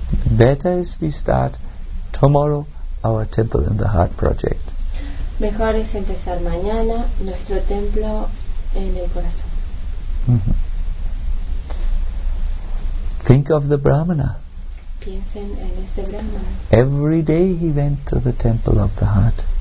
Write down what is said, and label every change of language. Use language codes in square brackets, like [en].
[en] Better is we start tomorrow our temple in the heart project. [es] Mejor es empezar mañana nuestro templo en el corazón. Mm-hmm. [en] Think of the Brahmana. [es] Piensen en este Brahmana. [en] Every day he went to the temple of the heart.